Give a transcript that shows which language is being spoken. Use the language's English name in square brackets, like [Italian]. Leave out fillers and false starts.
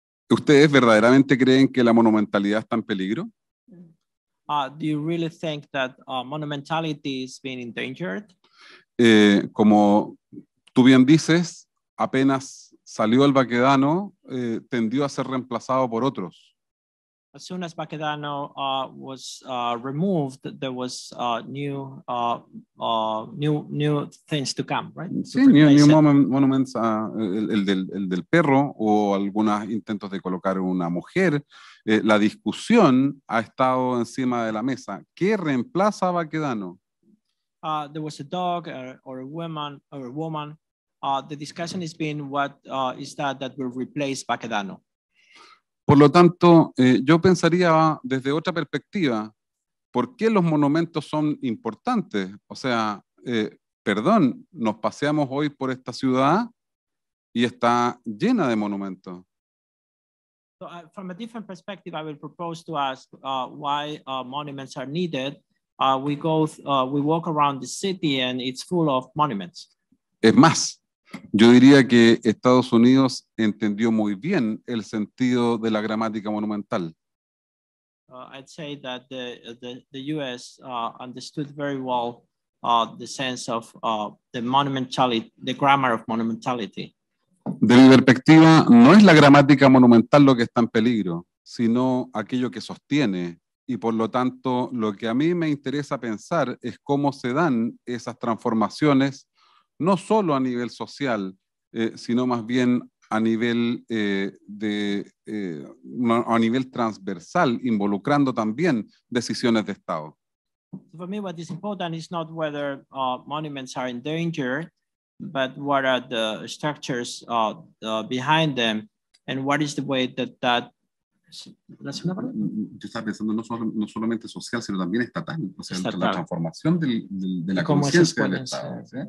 [Spanish] ¿Ustedes verdaderamente creen que la monumentalidad está en peligro? [English] Do you really think that monumentality is being endangered? [Spanish] Como tú bien dices, apenas salió el Baquedano, tendió a ser reemplazado por otros. [English] As soon as Baquedano was removed, there was new things to come, right? [Spanish] Sí, [English] new monuments, [Spanish] el del perro o algunos intentos de colocar una mujer. La discusión ha estado encima de la mesa. ¿Qué reemplaza a Baquedano? [English] There was a dog or a woman. The discussion has been what is that will replace Baquedano. [Spanish] Por lo tanto, yo pensaría desde otra perspectiva, ¿por qué los monumentos son importantes? O sea, perdón, nos paseamos hoy por esta ciudad y está llena de monumentos. [English] So from a different perspective, I will propose to ask why monuments are needed. We walk around the city and it's full of monuments. [Spanish] Es más, yo diría que Estados Unidos entendió muy bien el sentido de la gramática monumental. [English] I'd say that the U.S. Understood very well the sense of the monumentality, the grammar of monumentality. [Spanish] De mi perspectiva, no es la gramática monumental lo que está en peligro, sino aquello que sostiene. Y por lo tanto, lo que a mí me interesa pensar es cómo se dan esas transformaciones, no solo a nivel social, sino más bien a nivel a nivel transversal, involucrando también decisiones de Estado. [English] For me, what is important is not whether monuments are in danger, but what are the structures behind them, and what is the way that [Spanish] Yo estaba pensando no solamente social, sino también estatal, o sea, estatal. La transformación de la conciencia del Estado.